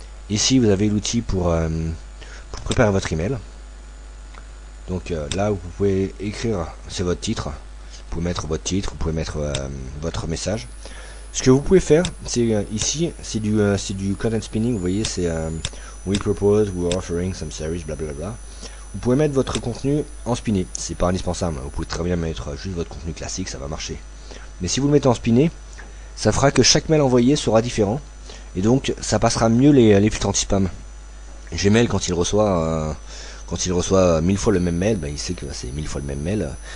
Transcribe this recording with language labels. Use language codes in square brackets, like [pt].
[fr] Ici vous avez l'outil pour préparer votre email. Donc là vous pouvez écrire, c'est votre titre. Vous pouvez mettre votre titre, vous pouvez mettre votre message. Ce que vous pouvez faire, c'est ici, c'est du content spinning. Vous voyez, c'est [en] We propose, we are offering some service, blablabla. [fr] Vous pouvez mettre votre contenu en spinné, c'est pas indispensable. Vous pouvez très bien mettre juste votre contenu classique, ça va marcher. Mais si vous le mettez en spinné, ça fera que chaque mail envoyé sera différent. Et donc, ça passera mieux les filtres anti-spam. Gmail, quand il reçoit 1000 fois le même mail, bah, il sait que c'est 1000 fois le même mail.